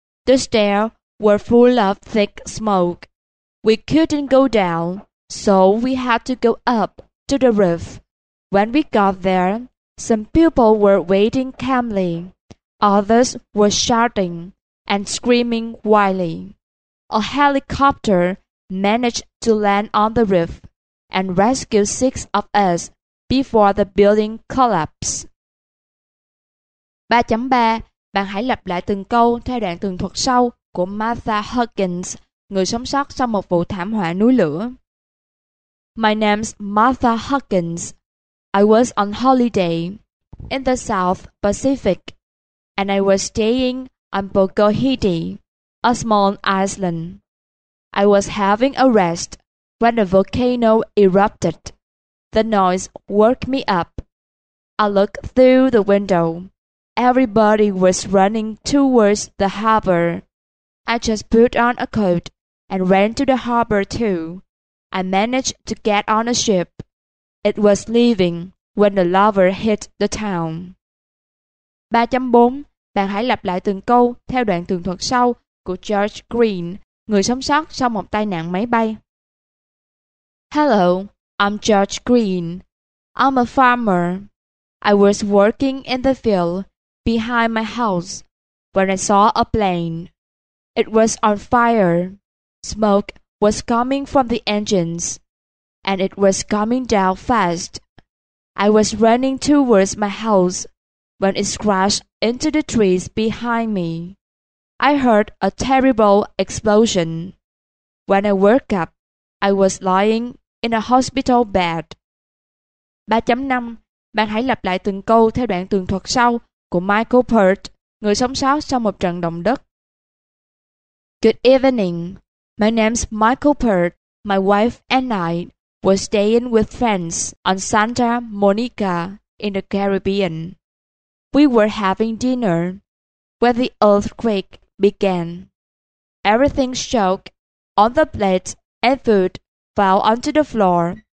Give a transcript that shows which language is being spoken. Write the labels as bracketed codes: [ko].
[en] The stairs were full of thick smoke. We couldn't go down, so we had to go up to the roof. When we got there, some people were waiting calmly. Others were shouting and screaming wildly. A helicopter managed to land on the roof and rescue six of us before the building collapsed. [vi] 3.3. Bạn hãy lặp lại từng câu theo đoạn tường thuật sau của Martha Huggins, người sống sót sau một vụ thảm họa núi lửa. [en] My name's Martha Huggins. I was on holiday in the South Pacific, and I was staying on Pokohiti, a small island. I was having a rest when a volcano erupted. The noise woke me up. I looked through the window. Everybody was running towards the harbor. I just put on a coat and ran to the harbor too. I managed to get on a ship. It was leaving when the lava hit the town. [vi] 3.4. Bạn hãy lặp lại từng câu theo đoạn tường thuật sau của George Green, người sống sót sau một tai nạn máy bay. [en] Hello, I'm George Green. I'm a farmer. I was working in the field behind my house when I saw a plane. It was on fire. Smoke was coming from the engines, and it was coming down fast. I was running towards my house when it crashed into the trees behind me. I heard a terrible explosion. When I woke up, I was lying in a hospital bed. [vi] 3.5. Bạn hãy lặp lại từng câu theo đoạn tường thuật sau của Michael Pert, người sống sót sau một trận động đất. [en] Good evening. My name's Michael Pert. My wife and I were staying with friends on Santa Monica in the Caribbean. We were having dinner when the earthquake began. Everything shook on the plate and food fell onto the floor.